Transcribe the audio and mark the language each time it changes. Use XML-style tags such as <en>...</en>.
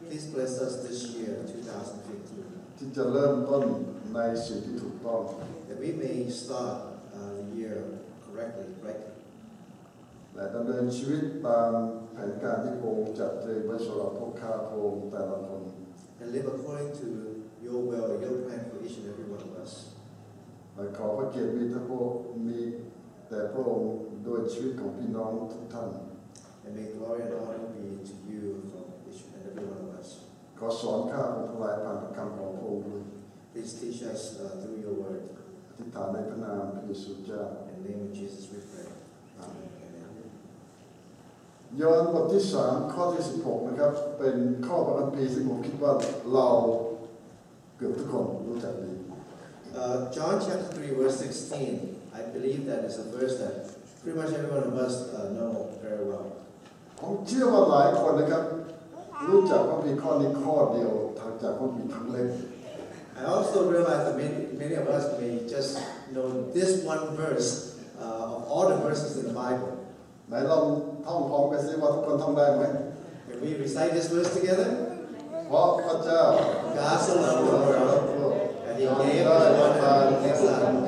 <en>Please bless us this year 2015</en> <th>ที่จะเริ่มต้นในสิ่งที่ถูกต้อง</th> <en>That we may start the year correctly, rightly</en> <th>และดำเนินชีวิตตามแผนการที่พระองค์จัดเตรียมไว้สำหรับพวกข้าพระองค์แต่ละคน</th> <en>And live according to your will, your plan for each and every one of us</en> <th>และขอพระเกียรติมีแต่พระองค์มีแต่พระองค์ด้วยชีวิตของพี่น้องทุกท่าน</th> <en>And may glory and honor be to you from each and every one of us</en> <th>ขอสอนข้าพระองค์ผ่านพระคำของพระองค์ด้วย</th> <en>Please teach us through your word</en> <th>อธิษฐานในพระนามพระเยซูเจ้า</th> <en>In the name of Jesus we pray</en> <th>Amen ยอห์นบทที่3ข้อที่16นะครับเป็นข้อพระคัมภีร์ซึ่งผมคิดว่าเราเกือบทุกคนรู้จักดี</th> <en>John chapter 3 verse 16 I believe that is a verse that pretty much everyone of us know very well</en> <th>ผมเชื่อว่าหลายคนนะครับรู้จักพระคัมภีร์ข้อนี้ข้อเดียวทั้งจากพระคัมภีร์ทั้งเล่ม</th> <en>I also realize that many of us may just know this one verse of all the verses in the Bible</en> <th>ไหนลองท่องพร้อมกันสิว่าทุกคนท่องได้ไหม</th> <en>Can we recite this verse together?</en> <th>พระเจ้า</th> <en>God's the Lord of the world And He gave the one and only Son</en>